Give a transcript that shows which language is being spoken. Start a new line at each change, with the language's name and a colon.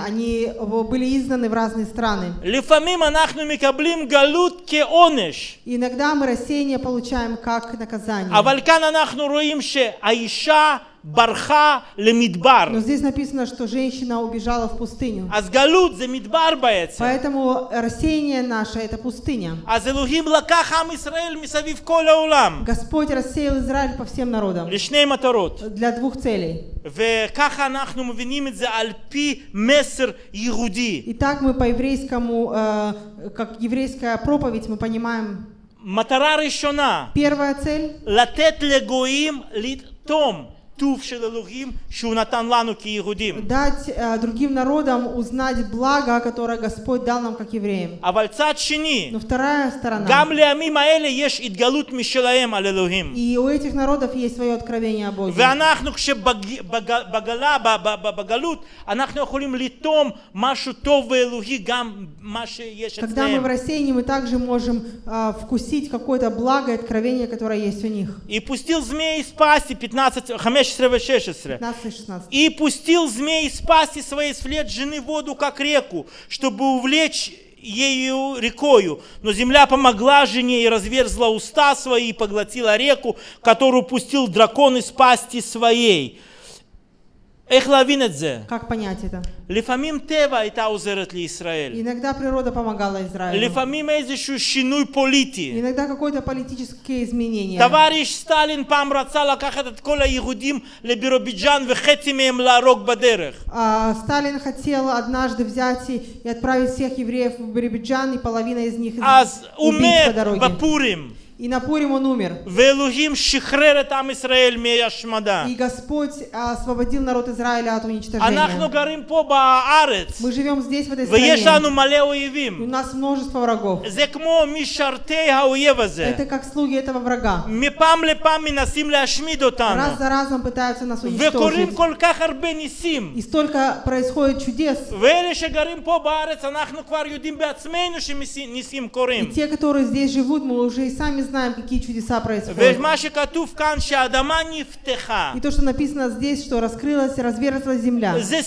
Russian: Они были изгнаны в разные страны.
Hebrew: לפעמים אנחנו מקבלים גלות כעונש.
Russian: Иногда мы рассеяние получаем как наказание.
Hebrew: אבל כאן אנחנו רואים שהאישה ברחה למדבר.
Russian: Но здесь написано, что женщина убежала в пустыню.
Hebrew: אז גלות זה מדבר בעצם.
Russian: Поэтому рассеяние наше это пустыня.
Hebrew: אז אלוהים לקח עם ישראל מסביב כל העולם.
Russian: Господь рассеял Израиль по всем народам.
Hebrew: לשני מטרות.
Russian: Для двух целей.
Hebrew: וככה אנחנו מבינים את זה על פי מסר יהודי.
Russian: Итак, мы по еврейскому, как еврейская проповедь, мы понимаем.
Hebrew: מטרה ראשונה.
Russian: Первая цель.
Hebrew: לתת לגויים לטום. טוב של אלוהים שהוא נתן לנו כיהודים.
Russian: Дать другим народам узнать благо, которое Господь дал нам как евреям.
Hebrew: אבל צד שני.
Russian: Но вторая сторона.
Hebrew: גם לעמים האלה יש התגלות משלהם על אלוהים.
Russian: И у этих народов есть свое откровение о Боге.
Hebrew: ואנחנו כשבגלה, בגלות, אנחנו יכולים לטום משהו טוב ואלוהי גם מה שיש אצלם.
Russian: Когда мы в рассеянии, мы также можем вкусить какое-то благо и откровение, которое есть у них. И пустил змей из пасти 15-16. И пустил змей из пасти своей вслед жены воду, как реку, чтобы увлечь ею рекою. Но земля помогла жене и разверзла уста свои и поглотила реку, которую пустил дракон из пасти своей.
Hebrew: איך להבין את זה?
Russian: Как понять это?
Hebrew: לפעמים טבע הייתה עוזרת לישראל.
Russian: Иногда природа помогала Израилю.
Hebrew: לפעמים איזשהו שינוי פוליטי.
Russian: Иногда какое-то политическое изменение. товарищ
Hebrew: סטלין פעם רצה לקחת את כל היהודים לבירוביג'אן וחצי מהם להרוג בדרך.
Russian: Сталин хотел однажды взять и отправить всех евреев в Биробиджан и половина из них אז умер по дороге.
Hebrew: בפורים.
Russian: И на Пурим он умер.
Hebrew: ואלוהים שחרר את עם ישראל מהשמדה.
Russian: И Господь освободил народ Израиля от уничтожения.
Hebrew: אנחנו גרים פה בארץ.
Russian: Мы живем здесь, в этой стране.
Hebrew: ויש לנו מלא אויבים.
Russian: У нас множество врагов.
Hebrew: זה כמו משרתי האויב הזה.
Russian: Это как слуги этого врага.
Hebrew: מפעם לפעם מנסים להשמיד אותנו.
Russian: Раз за разом пытаются нас уничтожить.
Hebrew: וקורים כל כך הרבה ניסים.
Russian: И столько происходит чудес.
Hebrew: ואלה שגרים פה בארץ, אנחנו כבר יודעים בעצמנו שניסים קורים.
Russian: И те, которые здесь живут, мы уже и сами знаем, какие чудеса происходят. И то, что написано здесь, что раскрылась и разверзлась земля.